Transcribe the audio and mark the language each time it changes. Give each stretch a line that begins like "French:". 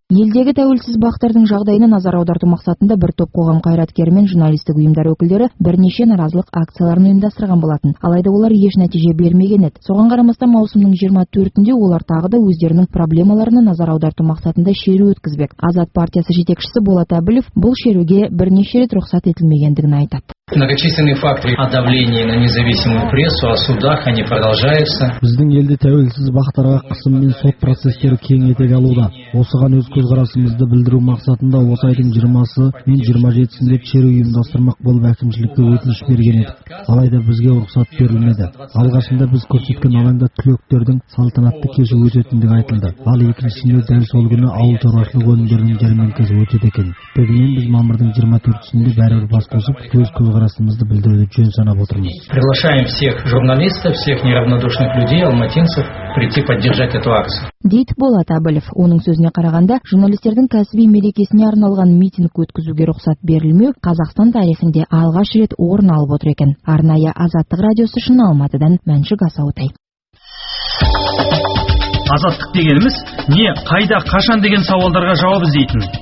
Kazakh: Елдегі тәуелсіз бақтардың жағдайына назар аударту мақсатында бір топ қоғам қайраткері мен журналистік ұйымдар өкілдері бірнеше наразылық акцияларын ұйымдастырған болатын. Алайда олар еш нәтиже бермеген еді. Соған қарамастан маусымның 24-інде олар тағы да өздерінің проблемаларына назар аударту мақсатында шеру өткізбек. Азат партиясы жетекшісі Болат Әбілов бұл шеруге бірнеше рет рұқсат етілмегендігін айтады.
Russian: Многочисленные факты о давлении на независимую прессу, о судах, они продолжаются.
Kazakh: Біздің елде тәуелсіз бақтарға қысым мен сот процестері кең етек алуда. Осыған өз көзқарасымызды білдіру мақсатында осы айдың 20-сы мен 27-сінде шеру ұйымдастырмақ болып әкімшілікке өтініш берген едік. Алайда бізге рұқсат берілмеді. Алғашында біз көрсеткен алаңда түлектердің салтанатты кеші өтетіндігі айтылды. Ал екіншісінде дәл сол күні ауыл шаруашылығы өнімдерінің жәрмеңкесі өтеді екен. Бүгін біз мамырдың 24-сінде бәрі бас қосып өз көзқарасымызды білдіруді жөн санап отырмыз.
Russian: Приглашаем всех журналистов, всех неравнодушных людей, алматинцев прийти поддержать эту акцию.
Kazakh: Дейт Болат Абылев. Оның сөзіне қарағанда, журналистердің кәсіби мерекесіне арналған митинг өткізуге рұқсат берілмеу Қазақстан тарихында алғаш рет орын алып отыр екен. Арнайы Азаттық радиосы үшін Алматыдан Мәншүк Асаутай. Азаттық дегеніміз не, қайда, қашан деген сауалдарға жауап іздейтін.